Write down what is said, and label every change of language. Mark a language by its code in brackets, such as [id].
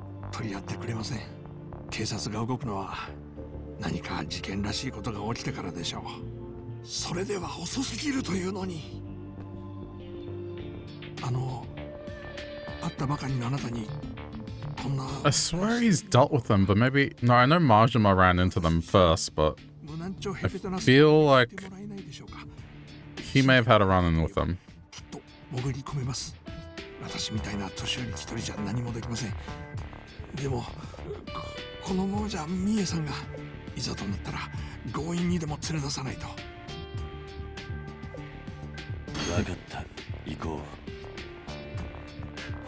[ja] 取り合ってくれません。警察が動くのは何か事件らしいことが起きてからでしょう。それでは遅すぎるというのに。あの、会ったばかりのあなたにこんな。 [en] I swear he's dealt with them, but maybe no. I know Majima ran into them first, but I feel like he may have had a run-in with them. [ja] きっと潜り込めます。私みたいな年寄り一人じゃ何もできません。でも。このままじゃミエさんがいざとなったら強引にでも連れ出さないと。わかった。行こう。